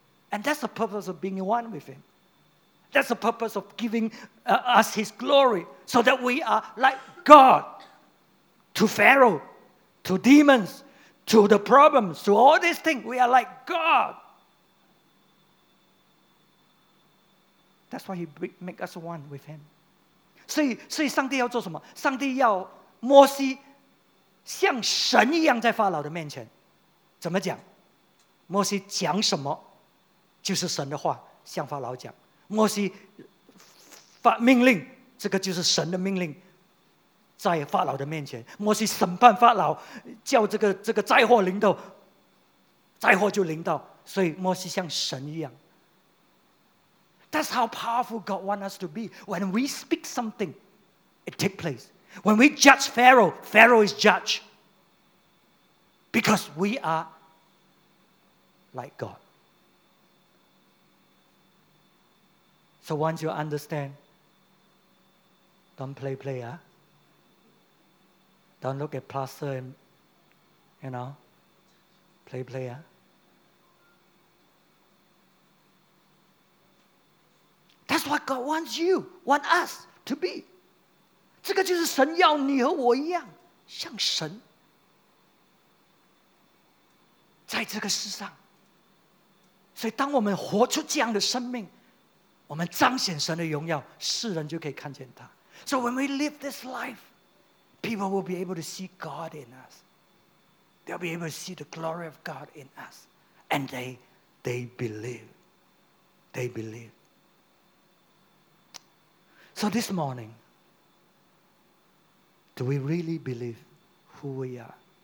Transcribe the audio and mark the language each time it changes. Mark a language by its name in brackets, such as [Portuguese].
[English] And that's the purpose of being one with Him. That's the purpose of giving us His glory so that we are like God to Pharaoh, to demons, to the problems, to all these things. We are like God. That's why He make us one with Him. [Chinese] 所以上帝要做什么? 上帝要摩西 像神一样在法老的面前，怎么讲？摩西讲什么，就是神的话向法老讲。摩西发命令，这个就是神的命令，在法老的面前。摩西审判法老，叫这个灾祸临到，灾祸就临到，所以摩西像神一样。 [English] That's how powerful God wants us to be. When we speak something, it takes place. When we judge Pharaoh, Pharaoh is judged. Because we are like God. So once you understand, don't play, huh? Don't look at plaster and, you know, play, huh? That's what God wants you, want us to be. [Chinese] 这个就是神要你和我一样，像神。在这个世上，所以当我们活出这样的生命，我们彰显神的荣耀，世人就可以看见他。 [English] So when we live this life, people will be able to see God in us. They'll be able to see the glory of God in us. And they believe. They believe. So this morning, do we really believe who we are?